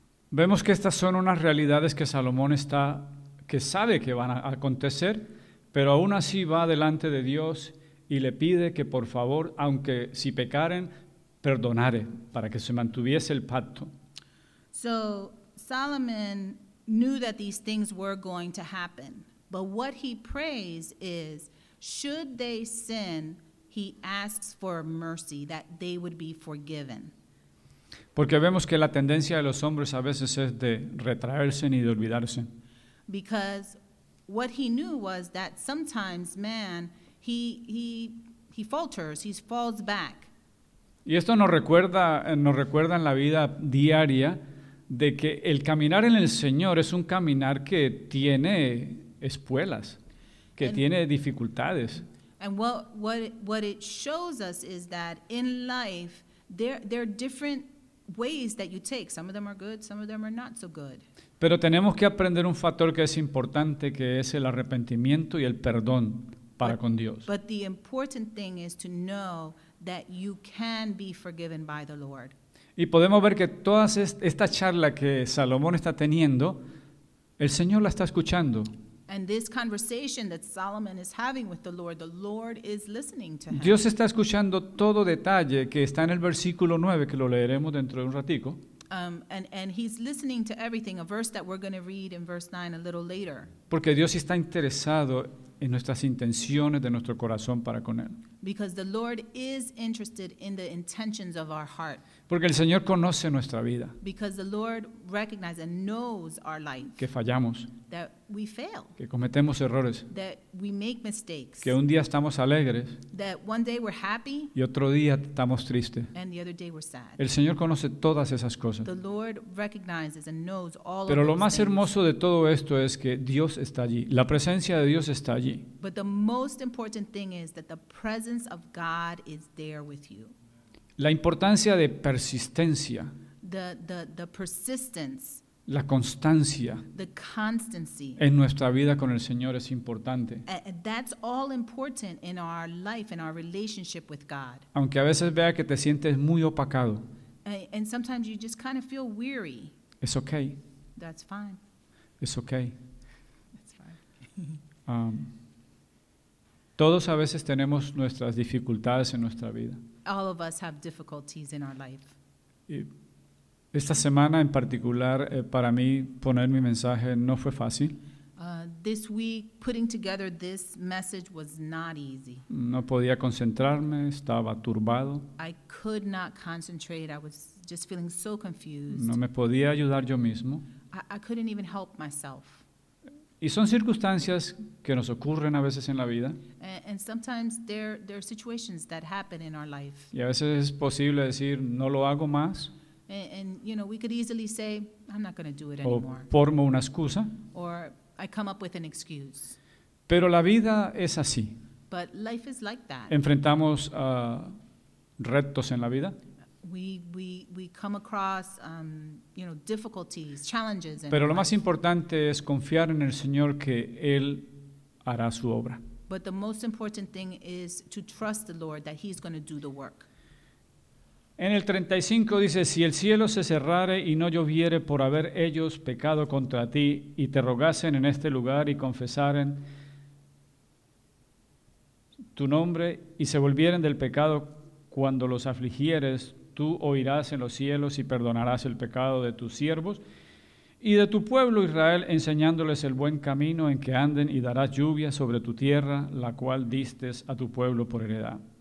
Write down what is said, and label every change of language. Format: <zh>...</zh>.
<es>Vemos que estas son unas realidades que Salomón está que sabe que van a acontecer, pero aún así va delante de Dios y le pide que por favor, aunque si pecaren, perdonare, para que se mantuviese el pacto.</es> <en>So Solomon knew that these things were going to happen, but what he prays is, should they sin, he asks for mercy, that they would be forgiven.</en> <es>Porque vemos que la tendencia de los hombres a veces es de retraerse y de olvidarse.</es> <en>Because what he knew was that sometimes man, he falters, he falls back.</en> <es>Y esto nos recuerda en la vida diaria de que el caminar en el Señor es un caminar que tiene espuelas, que tiene dificultades.</es> <en>And what it shows us is that in life, there are different ways that you take. Some of them are good, some of them are not so good.</en> <es>Pero tenemos que aprender un factor que es importante, que es el arrepentimiento y el perdón para con Dios.</es> <en>But the important thing is to know that you can be forgiven by the Lord.</en> <es>Y podemos ver que toda esta charla que Salomón está teniendo, el Señor la está escuchando.</es> <en>And this conversation that Solomon is having with the Lord is listening to him.</en> <es>Dios está escuchando todo detalle que está en el versículo 9, que lo leeremos dentro de un ratico.</es> <en>And he's listening to everything, a verse that we're going to read in verse 9 a little later.</en> <es>Porque Dios está interesado en nuestras intenciones de nuestro corazón para con él.</es> <en>Because the Lord is interested in the intentions of our heart.</en> <es>Porque el Señor conoce nuestra vida.</es> <en>Because the Lord recognizes and knows our life.</en> <es>Que fallamos.</es> <en>That we fail.</en> <es>Que cometemos errores.</es> <en>That we make mistakes.</en> <es>Que un día estamos alegres.</es> <en>That one day we're happy.</en> <es>Y otro día estamos tristes.</es> <en>And the other day we're sad.</en> <es>El Señor conoce todas esas cosas.</es> <en>The Lord recognizes and knows all of those things.</en> <es>Pero lo más hermoso de todo esto es que Dios está allí. La presencia de Dios está allí.</es> <en>But the most important thing is that the presence of God is there with you.</en> <es>La importancia de persistencia.</es> <en>The persistence.</en> <es>La constancia.</es> <en>The constancy.</en> <es>En nuestra vida con el Señor es importante.</es> <en>That's all important in our life, in our relationship with God.</en> <es>Aunque a veces vea que te sientes muy opacado.</es> <en>And sometimes you just kind of feel weary. It's okay. That's fine. It's okay. That's fine.</en> <es>Todos a veces tenemos nuestras dificultades en nuestra vida.</es> <en>All of us have difficulties in our life.</en> <es>Y esta semana en particular, para mí poner mi mensaje no fue fácil.</es> <en>This week, putting together this message was not easy.</en> <es>No podía concentrarme, estaba turbado.</es> <en>I could not concentrate. I was just feeling so confused.</en> <es>No me podía ayudar yo mismo.</es> <en>I couldn't even help myself.</en> <es>Y son circunstancias que nos ocurren a veces en la vida.</es> <en>And sometimes there are situations that happen in our life.</en> <es>Y a veces es posible decir, no lo hago más.</es> <en>And you know, we could easily say, I'm not going to do it anymore.</en> <es>O formo una excusa.</es> <en>Or I come up with an excuse.</en> <es>Pero la vida es así.</es> <en>But life is like that.</en> <es>Enfrentamos retos en la vida.</es> <en>We come across you know, difficulties, challenges.</en> <es>Pero lo más importante es confiar en el Señor que Él hará su obra.</es> <en>But the most important thing is to trust the Lord that He's going to do the work.</en> <es>En el 35 dice, si el cielo se cerrare y no lloviere por haber ellos pecado contra ti y te rogasen en este lugar y confesaren tu nombre y se volvieren del pecado cuando los afligieres, tú oirás en los cielos y perdonarás el pecado de tus siervos y de tu pueblo Israel, enseñándoles el buen camino en que anden y darás lluvia sobre tu tierra, la cual diste a tu pueblo por heredad.</es>